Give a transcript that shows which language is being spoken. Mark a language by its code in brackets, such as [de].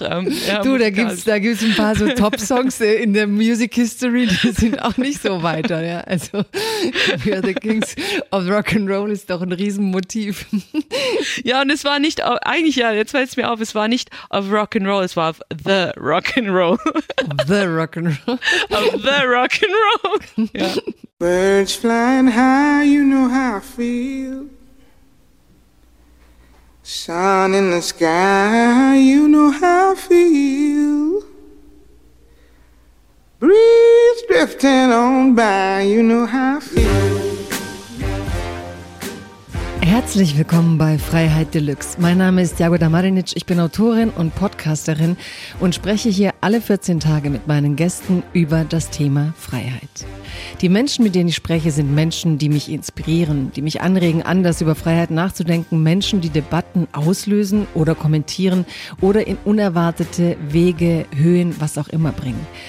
[de] Du, da gibt's ein paar so Top-Songs in der Music History, die sind auch nicht so weiter, ja. Also We Are the Kings of Rock'n'Roll ist doch ein Riesenmotiv. Ja, und es war nicht, eigentlich ja, jetzt fällt es mir auf, es war nicht of Rock'n'Roll, es war of the Rock'n'Roll. [en] The Rock'n'Roll. Of the Rock'n'Roll. Ja. Birds flying high, you know how I feel. Sun in the sky, you know how I feel. Breeze drifting on by, you know how I feel. [de] Herzlich willkommen bei Freiheit Deluxe. Mein Name ist Jago Damarinic, ich bin Autorin und Podcasterin und spreche hier alle 14 Tage mit meinen Gästen über das Thema Freiheit. Die Menschen, mit denen ich spreche, sind Menschen, die mich inspirieren, die mich anregen, anders über Freiheit nachzudenken, Menschen, die Debatten auslösen oder kommentieren oder in unerwartete Wege, Höhen, was auch immer bringen.